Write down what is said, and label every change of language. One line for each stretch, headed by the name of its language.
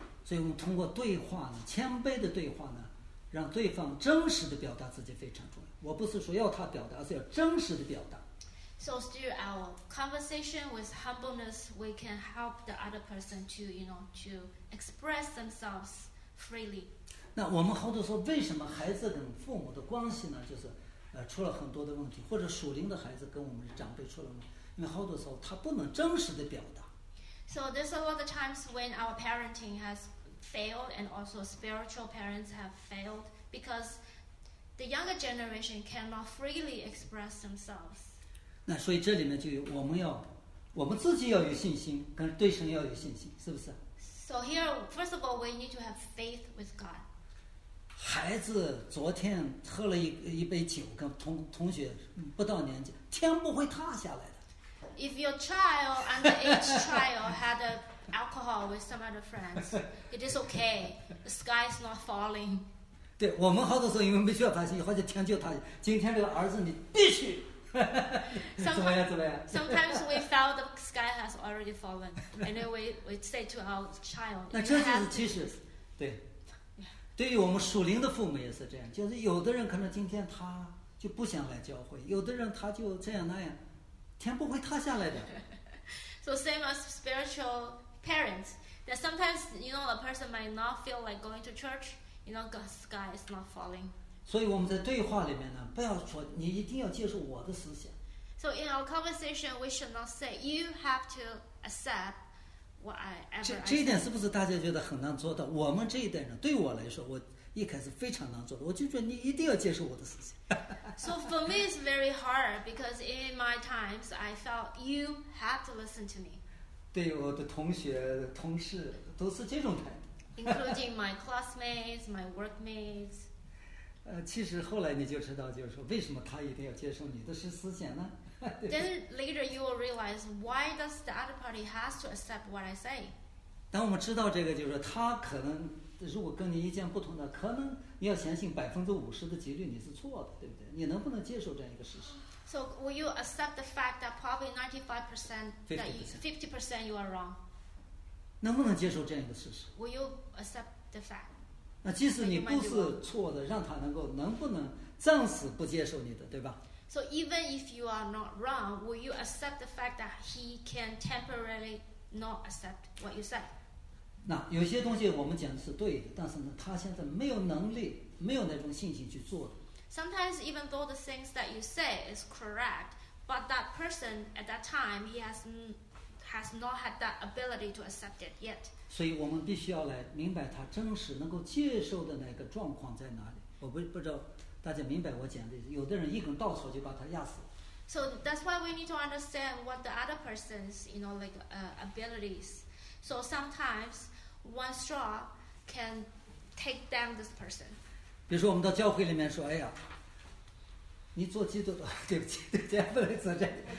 Chinese: 所以我们通过对话呢，谦卑的对话呢，让对方真实的表达自己非常重要。我不是说要他表达，而是要真实的表达。
English: So through our conversation with humbleness, we can help the other person to, you know, to express themselves freely.
Chinese: 那我们好多说为什么孩子跟父母的关系呢？就是，出了很多的问题，或者属灵的孩子跟我们的长辈出了问题，因为好多时候他不能真实的表达。
English: So there's a lot of times when our parenting has failed, and also spiritual parents have failed because the younger generation cannot freely express themselves.
Chinese: 那所以这里面就有我们自己要有信心，跟对神要有信心，是不是？
English: So here, first of all, we need to have faith with God.
Chinese: 孩子昨天喝了 一杯酒，跟同学不到年纪，天不会塌下来的。
English: If your child underage child had alcohol with some other friends, it is okay. The sky is not falling.
Chinese: 对，我们好多时候因为没需要担心，好像天就塌下。今天这个儿子，你必须。
English: Sometimes we felt the sky has already fallen, and then we say to our child.
Chinese: 那这就是其实，对，对于我们属灵的父母也是这样。就是有的人可能今天他就不想来教会，有的人他就这样那样，天不会塌下来的。
English: So same as spiritual parents, that sometimes you know a person might not feel like going to church, you know, the sky is not falling.
Chinese: 所以我们在对话里面呢，不要说你一定要接受我的思想。
English: So in our conversation, we should not say you have to accept what I ever.
Chinese: 这一点是不是大家觉得很难做到？我们这一代人，对我来说，我一开始非常难做的，我就觉得你一定要接受我的思想。
English: So for me, it's very hard because in my times, I felt you have to listen to me.
Chinese: 对我的同学、同事都是这种态度。
English: Including my classmates, my workmates.
Chinese: 其实后来你就知道，就是说为什么他一定要接受你的思想呢？
English: Then later you will realize why does the other party has to accept what I say.
Chinese: 当我们知道这个，就是说他可能如果跟你意见不同的，可能你要相信50%的几率你是错的，对不对？你能不能接受这样一个事实
English: ？So will you accept the fact that probably 95% that fifty percent you are wrong?
Chinese: 能不能接受这样一个事实
English: ？Will you accept the fact?
Chinese: 那即使你不是错的，让他能不能暂时不接受你的，对吧
English: ？So even if you are not wrong, will you accept the fact that he can temporarily not accept what you said?
Chinese: 那有些东西我们讲的是对的，但是呢，他现在没有能力，没有那种信心去做的。
English: Sometimes even though the things that you say is correct, but that person at that time he has not had that ability to accept it yet.
Chinese: 所以我们必须要来明白他真实能够接受的那个状况在哪里。我不知道大家明白我讲的，有的人一根稻草就把他压死。
English: So that's why we need to understand what the other person's, you know, like abilities. So sometimes one straw can take down this person.
Chinese: 比如说我们到教会里面说，哎呀，你做基督徒，对不起，对不起，不能说这。